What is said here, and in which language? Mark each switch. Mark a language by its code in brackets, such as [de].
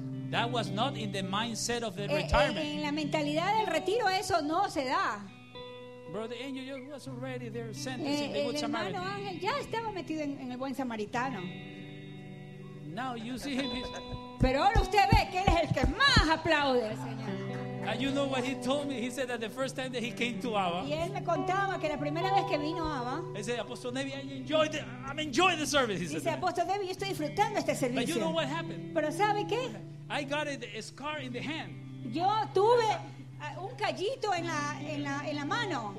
[en] That was not in the mindset of the retirement. [es] En la mentalidad del retiro eso no se da. [en] Brother Angel was already there sentencing the good Samaritan. [es] Hermano Ángel ya estaba metido en el buen samaritano. [en] Now you see him. [es] Pero ahora usted ve que él es el que más aplaude al Señor. [en] And you know what he told me? He said that the first time that he came to Abba. [es] Y él me contaba que la primera vez que vino a Abba. [en] He said, Apostle Nevi, I'm enjoying the service. He [es] dice, Apostle Nevi, yo estoy disfrutando este servicio. [en] But you know what happened? [es] Pero ¿sabe qué? [en] I got a scar in the hand. [es] Yo tuve un callito en la mano.